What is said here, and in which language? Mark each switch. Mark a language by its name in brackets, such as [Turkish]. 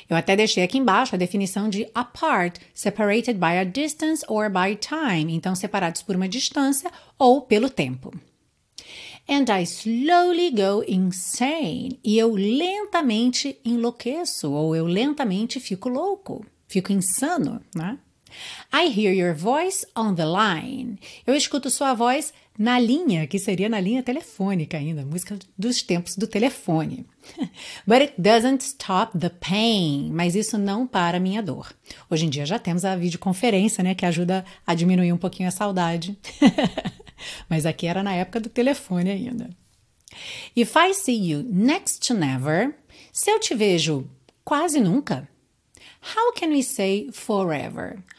[Portuguese] Eu até deixei aqui embaixo a definição de apart, [English] separated by a distance or by time. [Portuguese] Então, separados por uma distância ou pelo tempo. [English] And I slowly go insane. [Portuguese] E eu lentamente enlouqueço, ou eu lentamente fico louco, fico insano, né? [English] I hear your voice on the line. [Portuguese] Eu escuto sua voz na linha, que seria na linha telefônica ainda, música dos tempos do telefone. [English] But it doesn't stop the pain. [Portuguese] Mas isso não para minha dor. Hoje em dia já temos a videoconferência, né, que ajuda a diminuir um pouquinho a saudade. Mas aqui era na época do telefone ainda. [English] If I see you next to never, [Portuguese] se eu te vejo quase nunca, [English] how can we say forever?